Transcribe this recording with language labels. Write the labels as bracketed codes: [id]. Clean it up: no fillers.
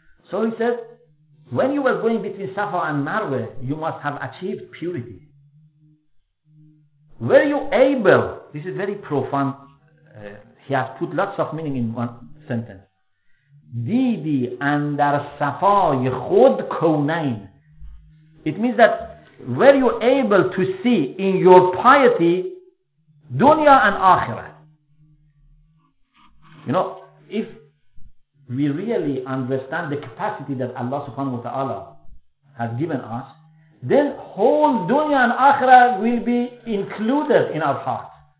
[en] So he said, when you were going between Safa and Marwa, you must have achieved purity. Were you able, this is very profound, he has put lots of meaning in one sentence. [fa] دیدی اندر صفای خود کونین. [en] It means that were you able to see in your piety dunya and akhirah? If we really understand the capacity that Allah subhanahu wa ta'ala has given us, then whole dunya and akhirah will be included in our heart.